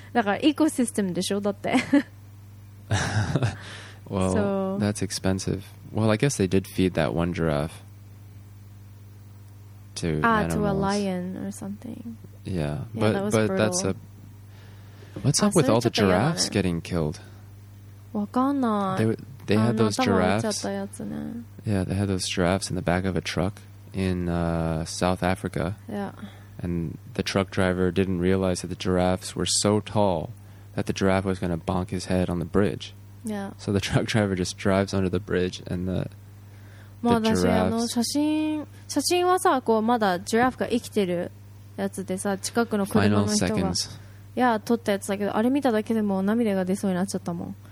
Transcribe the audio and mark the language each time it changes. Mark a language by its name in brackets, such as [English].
[Japanese] だからエコシステムでしょ、だって。 [English] Well, so, that's expensive. Well, I guess they did feed that one giraffe. To a lion or something. Yeah, but that's a... What's up with all the giraffes getting killed? [Japanese] わかんない。 [English] They had those giraffes... Yeah, they had those giraffes in the back of a truck in South Africa. Yeah. And the truck driver didn't realize that the giraffes were so tall that the giraffe was going to bonk his head on the bridge. Yeah. So the truck driver just drives under the bridge and the... [Japanese] まあ、私あの写真はさ、こうまだジュラフが生きてるやつでさ、近くの車の人がいや撮ったやつだけど、あれ見ただけでも涙が出そうになっちゃったもん。